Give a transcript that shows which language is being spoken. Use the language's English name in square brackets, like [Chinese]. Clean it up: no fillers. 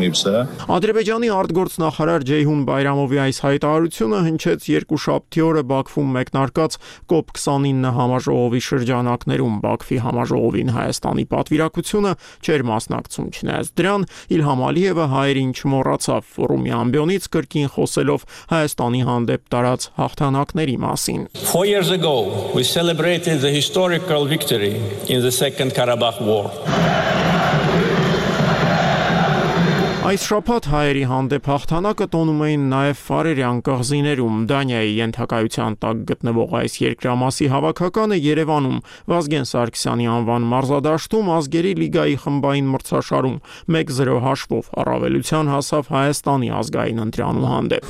[Armenian] Ադրբեջանի արտգործնախարար Ջեյհուն Բայրամովի այս հայտարարությունը հնչեց երկու շաբթի օրը Բաքվում մեկնարկած COP29 համաժողովի շրջանակներում։ Բաքվի համաժողովին Հայաստանի պատվիրակությունը չէր մասնակցում, չնայած դրան Իլհամ Ալիևը հայերին չմոռացավ ֆորումի ամբիոնից կրկին խոսելով Հայաստանի հանդեպ տարած հաղթանակների մասին։ [English] 4 years ago we celebrated the historical victory in the Second Karabakh War. [Armenian] Այս շաբաթ հայերի հանդեպ հաղթանակը տոնում էին նաև Ֆարերյան կղզիներում։ Դանիայի ենթակայության տակ գտնվող այս երկրամասի հավաքականը Երևանում Վազգեն Սարգսյանի անվան մարզադաշտում ազգերի լիգայի խմբային մրցաշարում 1-0 հաշվով առավելության հասավ Հայաստանի ազգային ընտրանու հանդեպ։